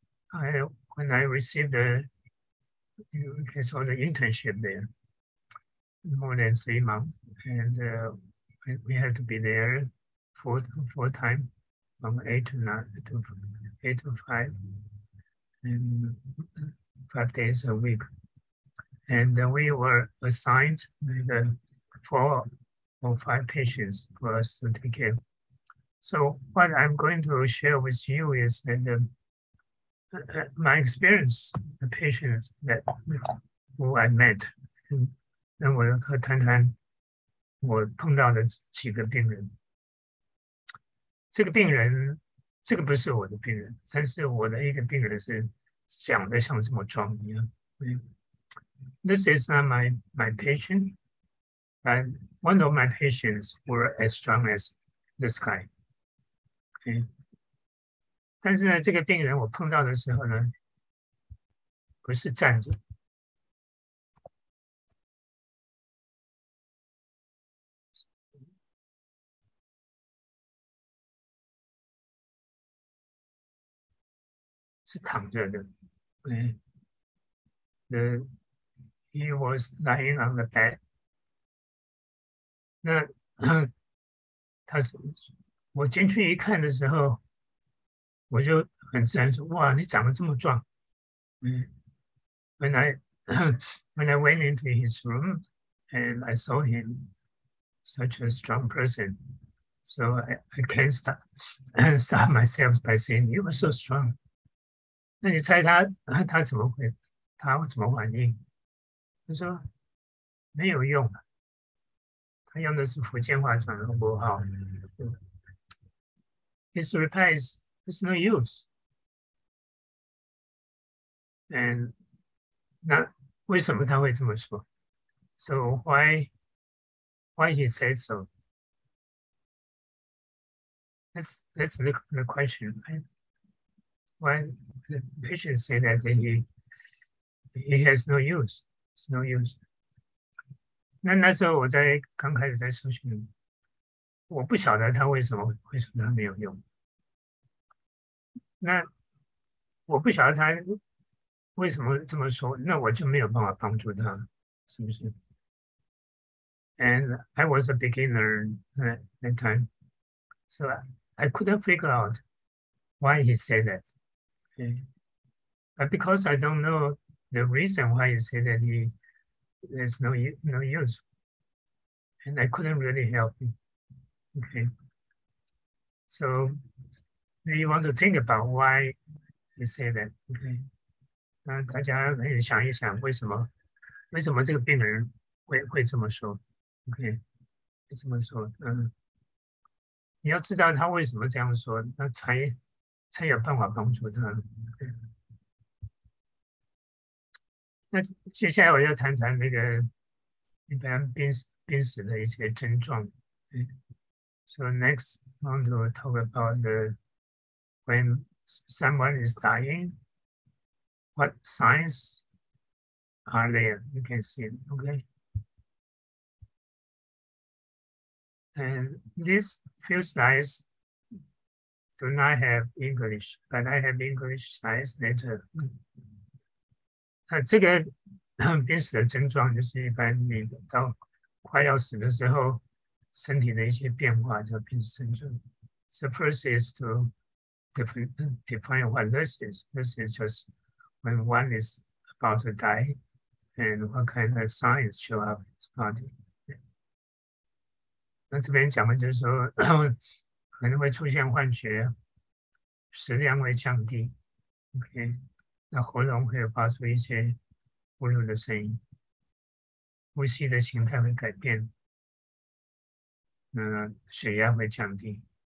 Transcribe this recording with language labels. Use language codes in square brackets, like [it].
[en] ，When I received you can saw the internship there, more than 3 months, and we had to be there full time from 8 to 9 to 8 to 5, and 5 days a week, and we were assigned the 4 or 5 patients for us to take care. So what I'm going to share with you is that my experience, the patients that who I met, [zh] 那我要和谈谈我碰到的几个病人。这个病人，这个不是我的病人，但是我的一个病人是长得像这么壮一样。 [en] This is not my patient, but one of my patients were as strong as this guy. [zh] 但是呢，这个病人我碰到的时候呢，不是站着，是躺着的。 [en] He was lying on the bed。 [zh] 那他是我进去一看的时候。我就很自然说：“哇，你长得这么壮。 [en] ”When I went into his room and I saw him such a strong person, so I can't stop myself by saying you are so strong。 [zh] 那你猜他怎么回？他怎么反应？他说：“没有用。 ”他用的是福建话讲的不好。 [en] His reply is。 It's no use. And [zh] 那为什么他会这么说？ [en] So why he said so? Let's look at the question, right? Why the patient say that he has no use? It's no use. [zh] 那时候我在刚开始在受训，我不晓得他为什么他没有用。那我不晓得他为什么这么说，那我就没有办法帮助他，是不是？ [en] And I was a beginner that time, so I couldn't figure out why he said that. But because I don't know the reason why he said that, there's no use, and I couldn't really help him. So. You want to think about why you say that, okay? [zh] 大家可以想一想，为什么这个病人会这么说？OK，这么说，你要知道他为什么这样说，那才有办法帮助他。那接下来我要谈谈那个一般濒死的一些症状。 [en] So next, I want to talk about when someone is dying, what signs are there? You can see it, okay? And these few slides do not have English, but I have English slides later. [zh] 这个濒死的症状就是一般你到快要死的时候，身体的一些变化叫濒死症状。 [en] So first is to define what this is. This is just when one is about to die, and what kind of signs show up in his body. [zh] 那这边讲的就是说，可能会出现幻觉，食量会降低。 OK。那喉咙会发出一些呼噜的声音，呼吸的形态会改变，血压会降低。